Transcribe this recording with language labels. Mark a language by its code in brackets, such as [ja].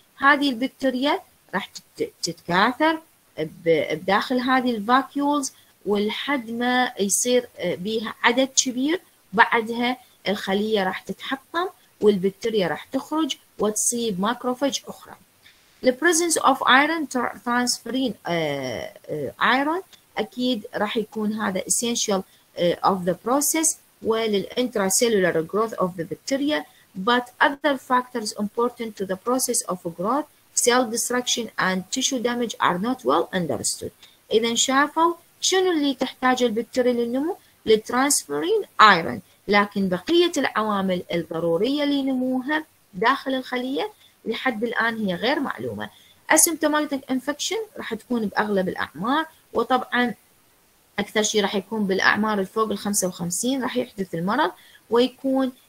[ar] هذه البكتيريا راح تتكاثر بداخل هذه الفاكيولز ولحد ما يصير بيها عدد كبير، بعدها الخلية راح تتحطم والبكتيريا راح تخرج وتصيب ماكروفاج أخرى. [en] The presence of iron transferrin iron [ar] أكيد راح يكون هذا [en] essential of the process وللintracellular growth of the bacteria. But other factors important to the process of growth, cell destruction and tissue damage are not well understood. [ar] إذا شافوا شنو اللي تحتاج البكتيريا للنمو؟ للترانسفيرين ايرون، لكن بقية العوامل الضرورية لنموها داخل الخلية لحد الآن هي غير معلومة. [en] asymptomatic infection [ar] راح تكون بأغلب الأعمار، وطبعا أكثر شيء راح يكون بالأعمار الفوق ال 55 راح يحدث المرض، ويكون